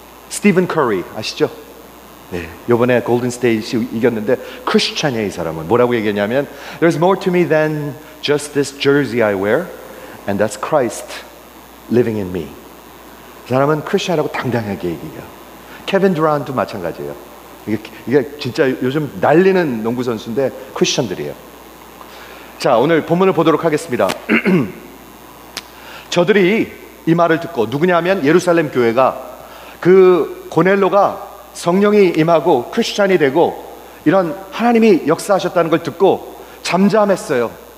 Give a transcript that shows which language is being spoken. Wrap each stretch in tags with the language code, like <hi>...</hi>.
<ko>스티븐 커리 아시죠? 네, 이번에 골든 스테이지 이겼는데 크리스찬이에요, 이 사람은. 뭐라고 얘기했냐면,</ko> <en>There's more to me than just this jersey I wear, and that's Christ living in me.</en> <ko>사람은 크리스찬이라고 당당하게 얘기해요. 케빈 드란도 마찬가지예요. 이게 진짜 요즘 날리는 농구 선수인데 크리스찬들이에요. 자, 오늘 본문을 보도록 하겠습니다. 저들이 이 말을 듣고, 누구냐면 예루살렘 교회가, 그 고넬로가 성령이 임하고 크리스찬이 되고 이런 하나님이 역사하셨다는 걸 듣고 잠잠했어요.</ko>